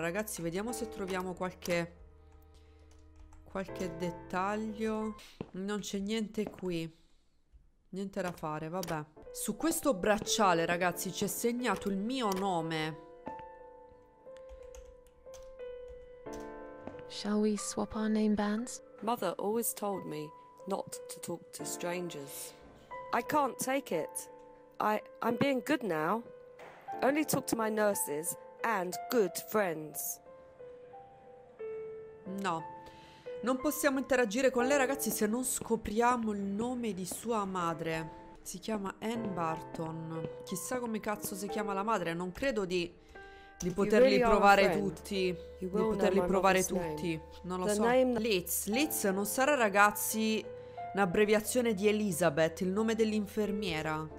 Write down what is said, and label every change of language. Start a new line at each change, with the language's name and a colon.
Italian: Ragazzi, vediamo se troviamo qualche dettaglio. Non c'è niente qui. Niente da fare, vabbè. Su questo bracciale, ragazzi, c'è segnato il mio nome.
English: Shall we swap our name bands? Mother always told me not to talk to strangers. I can't take it. I'm being good now. Only talk to my nurses and good friends. No.
Italian: Non possiamo interagire con lei, ragazzi, se non scopriamo il nome di sua madre. Si chiama Anne Barton. Chissà come cazzo si chiama la madre. Non credo di poterli provare tutti. Di poterli provare tutti. Non lo so. Liz non sarà, ragazzi, un'abbreviazione di Elizabeth, il nome dell'infermiera?